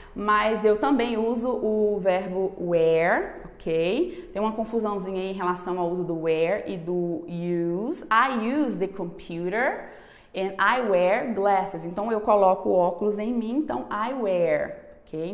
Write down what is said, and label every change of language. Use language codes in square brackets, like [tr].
[pt] Mas eu também uso o verbo wear, ok? Tem uma confusãozinha aí em relação ao uso do wear e do use. [en] I use the computer and I wear glasses. [pt] Então, eu coloco óculos em mim, então [en] I wear, [pt] ok?